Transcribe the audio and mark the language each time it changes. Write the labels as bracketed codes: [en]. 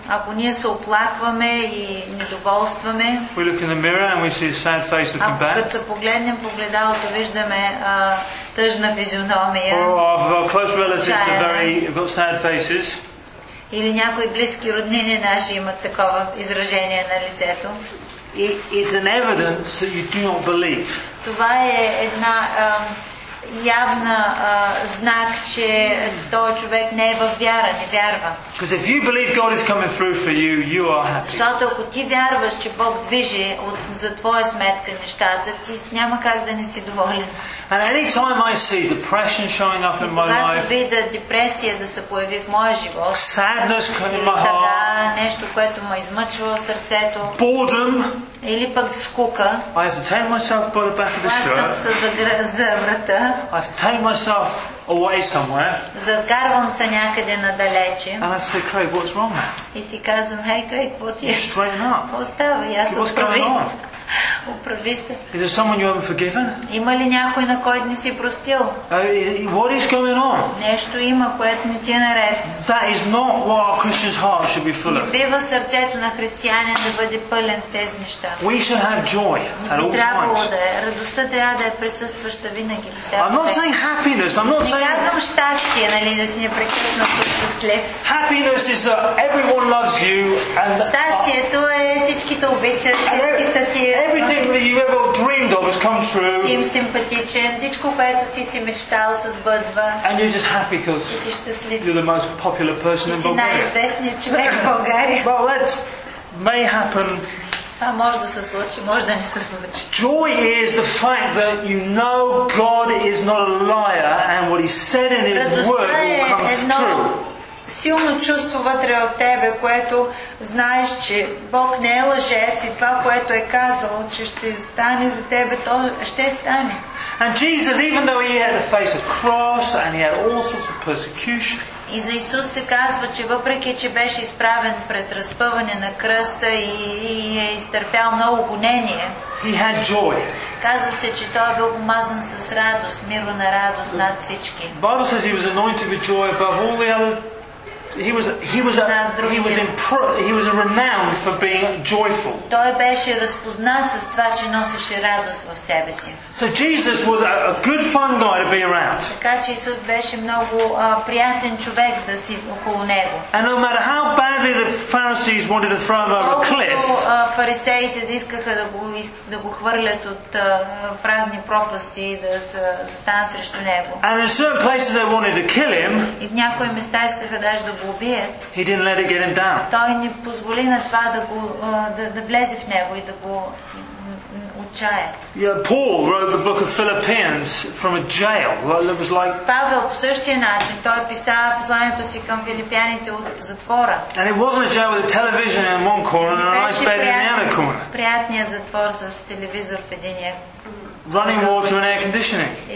[bg] ако ние се оплакваме и недоволстваме, [en] we look in the mirror and we see a sad face looking back. [bg] Ако се погледнем в огледалото, виждаме тъжна физиономия. [en] Our close relatives are very got sad faces. [bg] Или някои близки роднини наши имат такова изражение на лицето. [en] It's an evidence that you do not believe. [bg] Това е една явна знак, че този човек не е във вяра, не вярва. [en] Because if you believe God is coming through for you, you are happy. [bg] Защото ако ти вярваш, че Бог движи за твоя сметка нещата, ти няма как да не си доволен. [en] And any time I see depression showing up in my life, [bg] когато видя депресия да се появи в моя живот, [en] sadness in my heart, [bg] нещо, което ме измъчва в сърцето, [en] boredom, [bg] или пък скука, [en] I have to take myself by the back of the shirt. I have to take myself away somewhere. [bg] Закарвам се някъде надалече. [en] And I have to say, Craig, what's wrong? [bg] И си казвам, [en] hey Craig, what is? Straighten up. [bg] Остава, я се оправи. Оправи се. [en] Is there someone you haven't forgiven? [bg] Има ли някой, на който не си простил? [en] What is going on? [bg] Нещо има, което не ти е наред. [en] That is not what a Christian's heart should be full of. [bg] Не бива сърцето на християнин да бъде пълен с тези неща. [en] We should have joy at all times. [bg] Радостта трябва да е присъстваща винаги. [en] I'm not saying happiness. I'm not saying. [bg] Не казвам щастие, нали, да си непрекъснато щастлив. [en] Happiness is that everyone loves you and. [bg] Щастието е всички те обичат, всички са ти. [en] Everything that you ever dreamed of has come true. [bg] Сим симпатичен, всичко, което си си мечтал, се сбъдва. [en] And you're just happy because you're the most popular person in Bulgaria. [bg] Най-известният човек в България. [en] Well, that may happen. [bg] А може да се случи, може да не се случи. [en] Joy is the fact that you know God is not a liar and what He said in His word all comes true. [bg] Силно чувство вътре в тебе, което знаеш, че Бог не е лъжец и това, което е казал, че ще стане за тебе, то ще стане. [en] And Jesus, even though he had to face a cross and he had all sorts of persecution. [bg] И за Исус се казва, че въпреки че беше изправен пред разпъване на кръста и е изтърпял много гонение, [en] he had joy. [bg] Казва се, че той е бил помазан с радост, миро на радост над всички. [en] Bible says he was anointed with joy above all the other. He was renowned for being joyful. [bg] Той беше разпознат с това, че носеше радост в себе си. [en] So Jesus was a good fun guy to be around. [bg] Така че Исус беше много приятен човек да си около него. [en] And no matter how badly the Pharisees wanted to throw him over a cliff. [bg] Фарисеите искаха да го хвърлят от разни пропасти и да се застанат срещу него. [en] And in certain places they wanted to kill him. [bg] И в някои места искаха даже да [en] He didn't let it get him down. [bg] Той не позволи на това да влезе в него и да го отчая. [en] Yeah, Paul wrote the book of Philippians from a jail. It was like. [bg] Павел по същия начин той писа посланието си към филипяните от затвора. [en] And it wasn't a jail with a television in one corner and a nice bed in the other corner. [bg] Приятният затвор с телевизор в единия. [en] Running water and air conditioning.